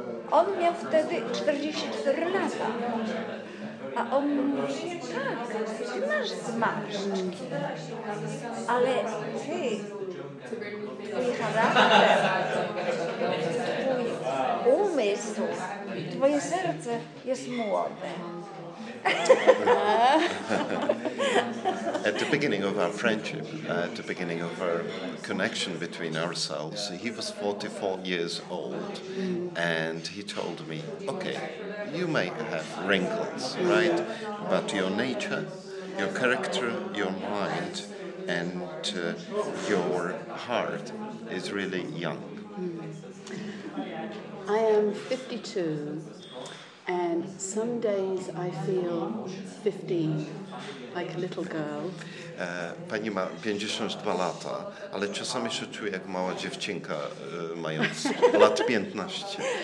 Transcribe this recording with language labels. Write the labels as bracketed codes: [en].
[pl] On miał wtedy 44 lata, a on mówi, tak, ty masz zmarszczki, ale ty, twój charakter, twój umysł, twoje serce jest młode. [en] At the beginning of our friendship, at the beginning of our connection between ourselves, he was 44 years old, and he told me, okay, you may have wrinkles, right? But your nature, your character, your mind, and your heart is really young. I am 52. And some days I feel 15, like a little girl. [pl] Pani ma 52 lata, ale czasami się czuję jak mała dziewczynka, mając lat 15.